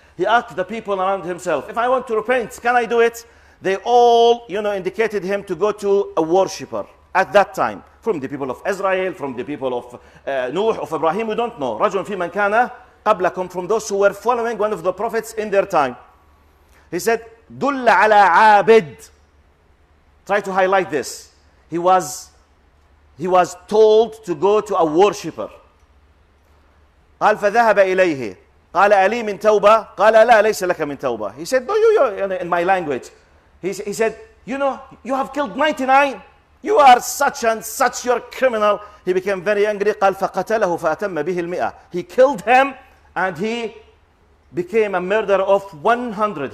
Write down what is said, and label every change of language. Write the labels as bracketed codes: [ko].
[en] He asked the people around himself, if I want to repent, can I do it? They all, you know, indicated him to go to a worshipper at that time. From the people of Israel, from the people of Nuh, of Ibrahim, we don't know. [ar] رجل في من كان قبلكم, [en] from those who were following one of the prophets in their time. He said, [ar] دل على عابد. [en] Try to highlight this. He was told to go to a worshipper. [ar] قال فذهب إليه. قال ألي من توبة؟ قال لا ليس لك من توبة. [en] He said, no, you, in my language. He said, you know, you have killed 99. You are such and such, you're a criminal. He became very angry. [ar] قال فقتله فأتم به المئة. [en] He killed him and he became a murderer of 100.